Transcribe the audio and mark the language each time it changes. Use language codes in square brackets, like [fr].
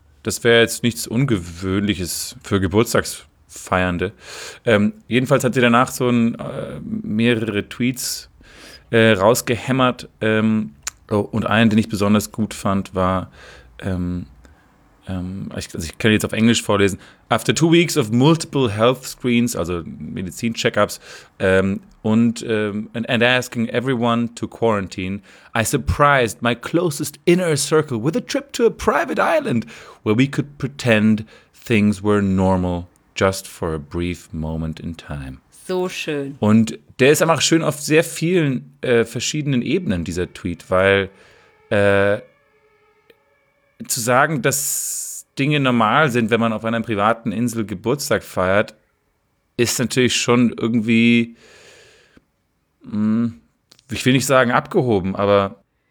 [de] Das wäre jetzt nichts Ungewöhnliches für Geburtstagsfeiernde. Jedenfalls hat sie danach so mehrere Tweets rausgehämmert. Und einen, den ich besonders gut fand, war, ich kann jetzt auf Englisch vorlesen. [en] After 2 weeks of multiple health screens, [de] also Medizin-Checkups, [en] and asking everyone to quarantine, I surprised my closest inner circle with a trip to a private island where we could pretend things were normal just for a brief moment in time. [de] So schön. Und der ist einfach schön auf sehr vielen verschiedenen Ebenen, dieser Tweet, weil zu sagen, dass Dinge normal sind, wenn man auf einer privaten Insel Geburtstag feiert, ist natürlich schon irgendwie, ich will nicht sagen abgehoben, aber.